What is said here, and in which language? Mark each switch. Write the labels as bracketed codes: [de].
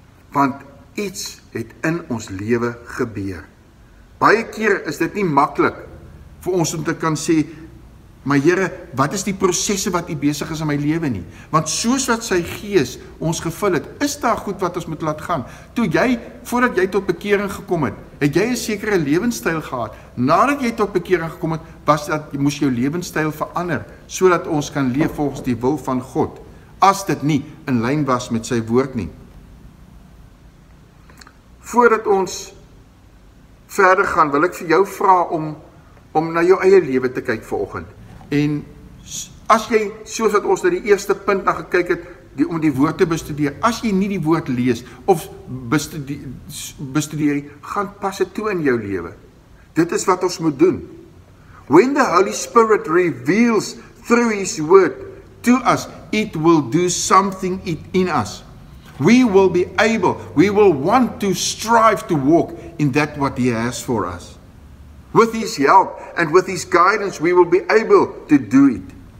[af] Want iets het in ons lewe gebeur. Baie keer is dit nie maklik vir ons om te kan sê, maar Here, wat is die prosesse wat u besig is in my lewe nie? Want soos wat sy Gees ons gevul het, is daar goed wat ons moet laat gaan. Toe jy, voordat jy tot bekering gekom het, het jy 'n sekere lewenstyl gehad. Nadat jy tot bekering gekom het, was dat jy moes jou lewenstyl verander, sodat ons kan leef volgens die wil van God, as dit nie in lyn was met sy woord nie. Voordat ons verder gaan, wil ek vir jou vra om na jou eie lewe te kyk vanoggend. En as jy, soos wat ons na die eerste punt na gekyk het, om die woord te bestudeer, as jy nie die woord lees of bestudeer, gaan pas het toe in jou lewe. Dit is wat ons moet doen. [en] When the Holy Spirit reveals through His word to us, it will do something in us. We will be able, we will want to strive to walk in that what He has for us. With His help and with His guidance, we will be able to do it.